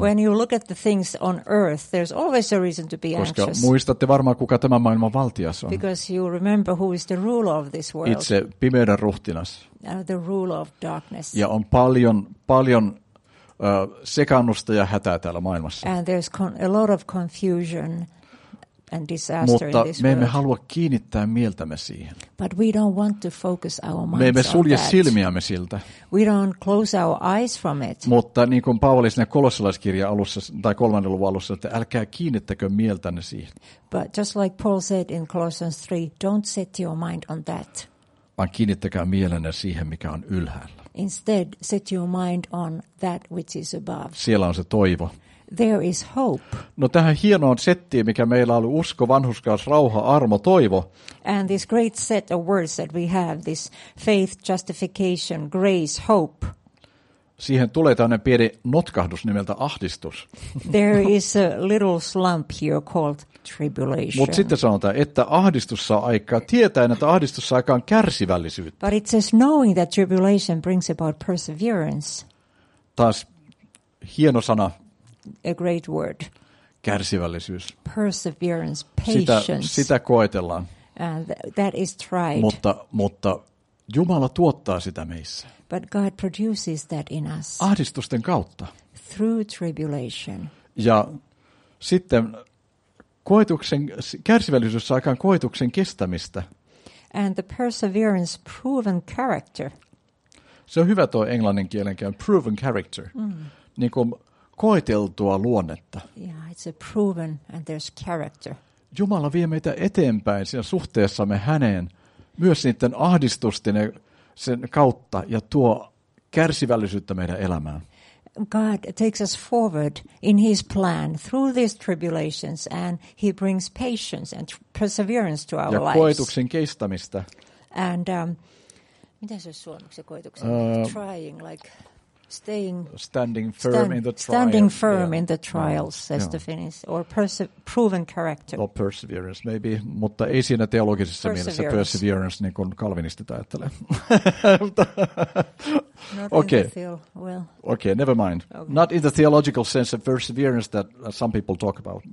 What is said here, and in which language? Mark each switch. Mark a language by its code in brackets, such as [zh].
[en] When you look at the things on earth, there's always a reason to be anxious. [fi] Koska muistatte varmaan, kuka tämän maailman valtio. [en] Because you remember who is the ruler of this world. [fi] Itse pimeyden ruhtinas. [en] The ruler of darkness. [fi] Ja on paljon sekannusta ja hätää täällä maailmassa. [en] And there's a lot of confusion and disaster in this. [fi] Mutta me emme halua kiinnittää mieltämme siihen. [en] But we don't want to focus our minds. [fi] Me emme sulje silmiämme siltä. [en] We don't close our eyes from it. [fi] Mutta niin kuin Paavali siinä kolossalaiskirja alussa tai 3. luvun alussa, että älkää kiinnittäkö mieltänne siihen. [en] But just like Paul said in Colossians 3, don't set your mind on that. [fi] Vaan kiinnittäkää mielenne siihen, mikä on ylhäällä. [en] Instead, set your mind on that which is above. [fi] Siellä on se toivo. [en] There is hope. [fi] No tähän hienoon settiin, mikä meillä oli usko, vanhurskaus, rauha, armo, toivo. [en] And this great set of words that we have, this faith, justification, grace, hope. [fi] siihen tulee tämmöinen pieni notkahdus nimeltä ahdistus. [en] There is a little slump here called tribulation. [fi] Mutta sitten sanotaan, että ahdistus saa aikaa, tietäen, että ahdistus saa aikaan kärsivällisyyttä. [en] But it says knowing that tribulation brings about perseverance. [fi] Taas hieno sana. [en] A great word. [fi] Kärsivällisyys. [en] Perseverance, patience. [fi] Sitä koetellaan. [en] And that is tried. [fi] Mutta Jumala tuottaa sitä meissä. [en] But God produces that in us. [fi] Ahdistusten kautta. [en] Through tribulation. [fi] Ja sitten koetuksen, kärsivällisyys saa aikaan koetuksen kestämistä. [en] And the perseverance proven character. [fi] Se on hyvä tuo englannin kielenkään, [en] proven character. [fi] Mm. Niin kuin koeteltua luonnetta. [en] Yeah, it's a proven and there's character. [fi] Jumala vie meitä eteenpäin siinä suhteessamme häneen, myös niiden ahdistusten ja sen kautta ja tuo kärsivällisyyttä meidän elämään. [en] God takes us forward in his plan through these tribulations and he brings patience and perseverance to our lives. [fi] Ja koetuksen kestämistä. And mitä se on suomeksi koetuksen? [en] Trying, like staying standing firm in the trials. Standing firm in the trials, yeah. Says the Finnish, or proven character. Or perseverance, maybe, [fi] mutta ei siinä teologisessa mielessä perseverance, niin kuin kalvinistit ajattelee. [en] Okay, never mind. Okay. Not in the theological sense of perseverance that some people talk about.